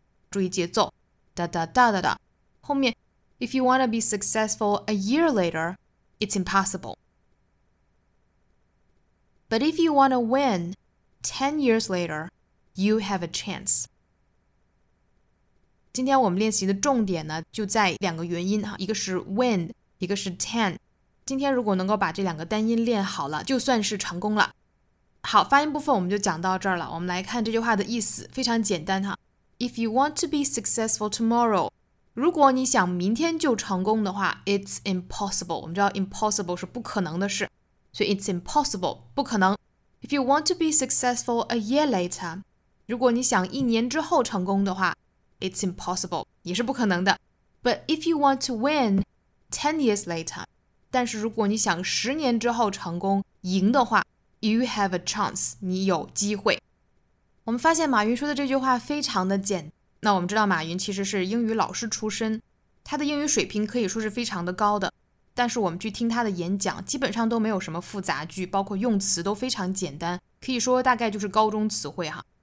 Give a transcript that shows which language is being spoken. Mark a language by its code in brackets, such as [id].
[zh] 注意节奏哒哒哒哒哒，后面 [en] If you wanna be successful a year later, it's impossible. But if you wanna win 10 years later, you have a chance. [zh] 今天我们练习的重点呢，就在两个元音，一个是 win， 一个是 ten。今天如果能够把这两个单音练好了，就算是成功了。好，发音部分我们就讲到这儿了，我们来看这句话的意思，非常简单哈。 [en] If you want to be successful tomorrow， [zh] 如果你想明天就成功的话， [en] It's impossible， [zh] 我们知道 impossible 是不可能的事，所以 [en] it's impossible， [zh] 不可能。 [en] If you want to be successful a year later， [zh] 如果你想一年之后成功的话， [en] It's impossible， [zh] 也是不可能的。 [en] But if you want to win 10 years later， [zh] 但是如果你想十年之后成功赢的话， [en] You have a chance， [zh] 你有机会。我们发现马云说的这句话非常的简单。那我们知道马云其实是英语老师出身，他的英语水平可以说是非常的高的，但是我们去听他的演讲基本上都没有什么复杂句，包括用词都非常简单，可以说大概就是高中词汇哈。